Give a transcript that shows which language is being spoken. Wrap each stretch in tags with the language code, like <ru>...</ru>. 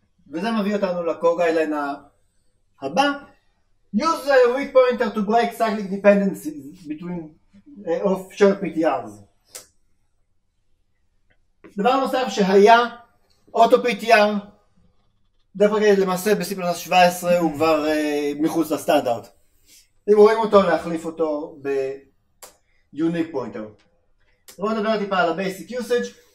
<he>וזה מביא אותנו לקוגיילן הבא.</he> <en>Use a weak pointer to break cyclic dependencies between of shared PTRs.</en> <he>דבר נוסף שהיה אוטו PTR, דפקט למעשה בסיפלס 17 הוא כבר מחוץ לסטנדרט. אם רואים אותו, להחליף אותו ב-unique pointer. בואו נדבר טיפה על ה-basic usage.</he>